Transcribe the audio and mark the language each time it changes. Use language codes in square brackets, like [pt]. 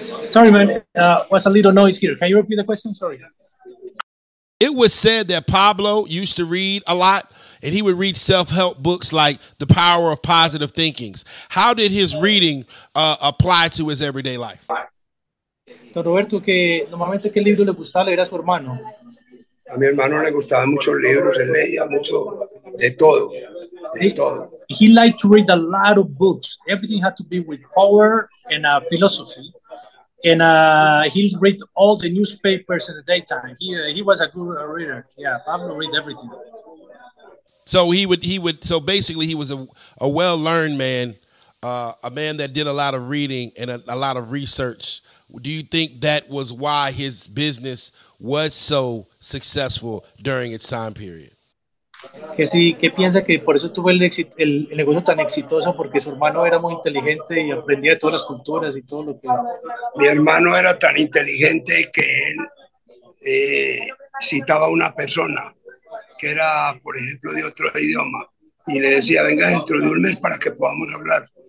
[en] Sorry, man, was a little noise here. Can you repeat the question? Sorry. It was said that Pablo used to read a lot. And he would read self-help books like The Power of Positive Thinking. How did his reading apply to his everyday life? [es] Don Roberto, que normalmente qué libro le gustaba leer a su hermano? A mi hermano le gustaban muchos libros, él leía mucho de todo. [en] He liked to read a lot of books. Everything had to be with power and philosophy. And he read all the newspapers in the daytime. He was a good reader. Yeah, Pablo read everything. So he would basically he was a well-learned man, a man that did a lot of reading and a lot of research. Do you think that was why his business was so successful during its time period? [es] Que sí, que piensa que por eso tuvo el negocio tan exitoso porque su hermano era muy inteligente y aprendía de todas las culturas y todo lo que. Mi hermano era tan inteligente que él citaba una persona que era, por ejemplo, de otro idioma, y le decía, venga dentro de un mes para que podamos hablar.